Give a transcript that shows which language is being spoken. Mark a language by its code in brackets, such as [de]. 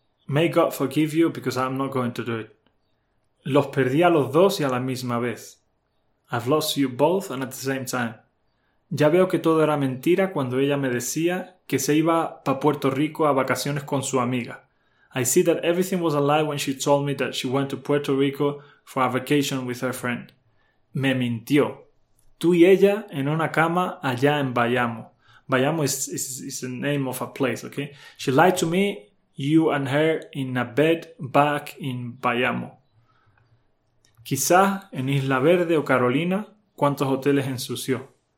[en] May God forgive you because I'm not going to do it. [es] Los perdí a los dos y a la misma vez. [en] I've lost you both and at the same time. [es] Ya veo que todo era mentira cuando ella me decía que se iba pa' Puerto Rico a vacaciones con su amiga. [en] I see that everything was a lie when she told me that she went to Puerto Rico for a vacation with her friend. [es] Me mintió. Tú y ella en una cama allá en Bayamo. [en] Bayamo is the name of a place, okay? She lied to me, you and her, in a bed back in Bayamo. [es] Quizás en Isla Verde o Carolina, cuántos hoteles ensució.